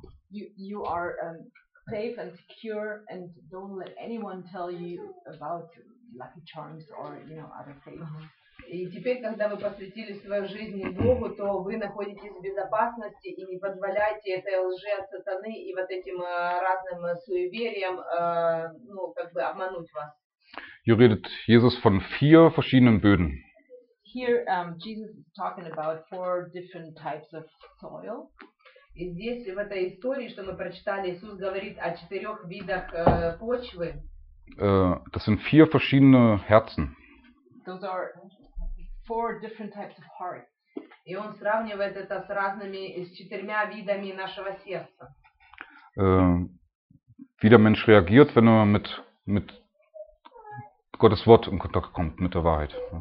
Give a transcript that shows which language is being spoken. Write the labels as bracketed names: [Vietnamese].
[English] You are safe and secure and don't let anyone tell you about lucky charms or you know other things. [Russian] И теперь, когда вы посвятили свою жизнь Богу, то вы находитесь в безопасности и не позволяйте этой лжи от сатаны и вот этим разным суевериям обмануть вас. [German] Hier redet Jesus von vier verschiedenen Böden. [English] Here Jesus is talking about four different types of soil. [Russian] И здесь, в этой истории, что мы прочитали, Иисус говорит о четырех видах почвы. [German] Das sind vier verschiedene Herzen. [English] Those are four different types of hearts. [Russian] И он сравнивает это с разными, с четырьмя видами нашего сердца. [German] Wie der Mensch reagiert, wenn er mit Gottes Wort in Kontakt kommt, mit der Wahrheit.